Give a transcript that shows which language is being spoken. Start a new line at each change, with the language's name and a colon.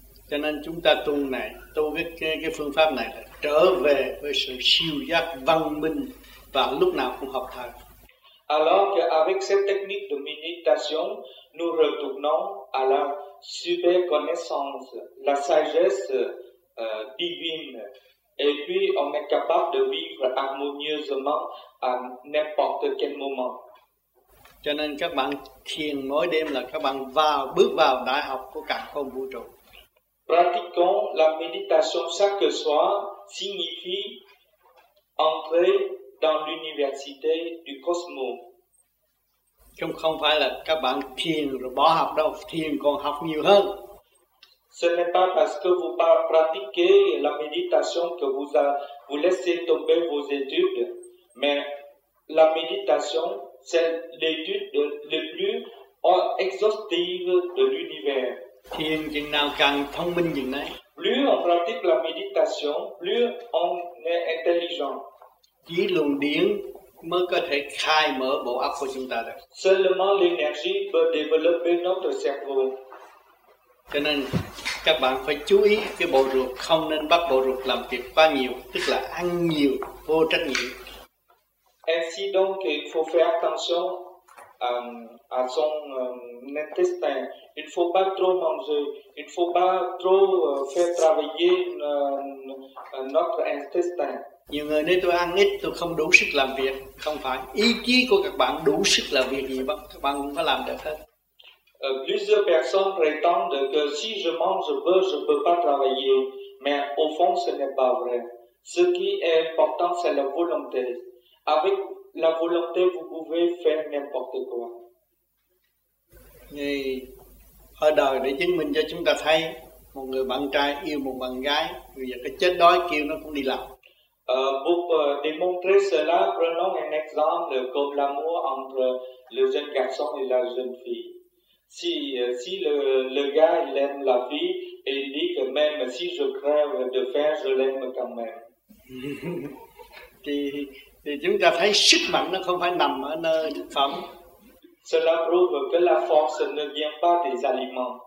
Vietnamese: Cho nên chúng ta tu này, tu cái phương pháp này là trở về với sự siêu giác văn minh và lúc nào cũng học thật.
French: Alors que avec cette technique de méditation, nous retournons à la super connaissance, la sagesse divine, et puis on est capable de vivre harmonieusement à n'importe quel moment.
Vietnamese: Cho nên các bạn thiền mỗi đêm là các bạn bước vào đại học của cả không vũ trụ.
French: Pratiquons la méditation chaque soir signifie entrer dans l'université du cosmos.
Vietnamese: Chứ không phải là các bạn thiền rồi bỏ học đâu, thiền còn học nhiều hơn.
French: Ce n'est pas parce que vous pratiquez la méditation que vous laissez tomber vos études, mais la méditation c'est l'étude le plus exhaustive de l'univers.
Vietnamese: Thiền chừng nào càng thông minh chừng đấy.
French: Plus on pratique la méditation, plus on est intelligent.
Vietnamese: Chỉ luồng điển mới có thể khai mở bộ óc của chúng ta được.
French: Seulement l'énergie peut développer notre cerveau.
Vietnamese: Cho nên các bạn phải chú ý cái bộ ruột, không nên bắt bộ ruột làm việc quá nhiều, tức là ăn nhiều, vô trách nhiệm.
French: Ainsi donc, il faut faire attention à son intestin. Il ne faut pas trop manger. Il ne faut pas trop faire travailler notre intestin.
Vietnamese: Nhiều người nói tôi ăn ít, tôi không đủ sức làm việc. Không phải. Ý chí của các bạn đủ sức làm việc gì, các bạn cũng phải làm được hết.
French: Plusieurs personnes prétendent que si je mange peu, je ne peux pas travailler. Mais au fond, ce n'est pas vrai. Ce qui est important, c'est la volonté. Avec la volonté, vous pouvez faire n'importe quoi.
Vietnamese: Ngày ở đời để chứng minh cho chúng ta thấy một người bạn trai yêu một bạn gái, bây giờ cái chết đói kêu nó cũng đi làm.
French: Pour démontrer cela, prenons un exemple comme l'amour entre le jeune garçon et la jeune fille. Si le gars il aime la fille et il dit que même si je crève de faim, je l'aime quand même.
Vietnamese: Thì chúng ta thấy sức mạnh nó không phải nằm ở nơi thực phẩm.
French: Cela prouve que la force ne vient pas des aliments.